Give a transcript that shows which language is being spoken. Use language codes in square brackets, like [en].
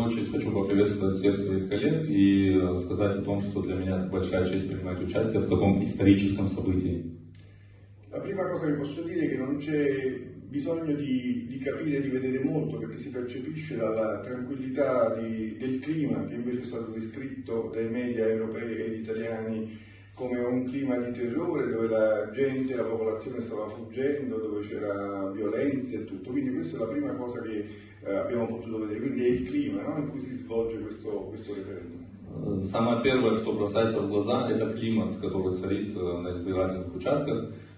[ru] хочу поприветствовать всех своих коллег и сказать о том, что для меня это большая честь принимать участие в таком историческом событии. [it] La prima cosa che posso dire è che non c'è bisogno di capire, di vedere molto, perché si percepisce dalla tranquillità del clima, che invece è stato descritto dai media europei e italiani come un clima di terrore, dove la gente, la popolazione stava fuggendo, dove c'era violenza e tutto. Quindi questa è la prima cosa che abbiamo potuto vedere. Quindi è il clima, no? In cui si svolge questo referendum. [ru] Самое первое, что бросается в глаза, это климат, который царит на избирательных участках.